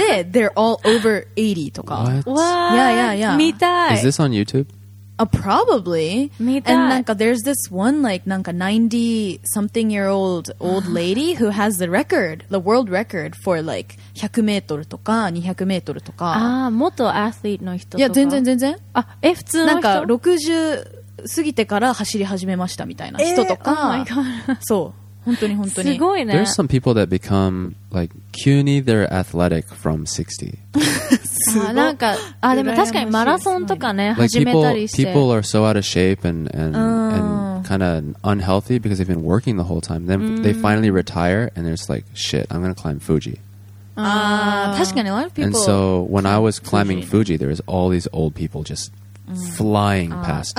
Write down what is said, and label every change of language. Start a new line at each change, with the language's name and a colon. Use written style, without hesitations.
English: they're all over 80
Japanese: とか
English: What? Yeah, yeah, yeah.
Japanese: 見たい
English: Is this on YouTube? Probably
Japanese: 見たい
English: And
Japanese: なんか
English: there's this one like なんか 90 something year old old lady who has the record the world record for like 100m とか 200m とか
Japanese: あ元アスリートの人とかいや全然全然あえ普通の人なんか60過ぎてから走り始めましたみたいな人とか、
English: Oh my God.
Japanese: そう本当に本当にすごいね
English: There's some people that become like CUNY they're athletic from 60
Japanese: すごいなんかあでも確かにマラソンとかね
English: like
Japanese: 始めたりして
English: people are so out of shape and kind of unhealthy because they've been working the whole time then they finally retire and they're just like shit I'm gonna climb Fuji
Japanese: あ確かに
English: a lot of people and so when I was climbing Fuji there was all these old people just flying past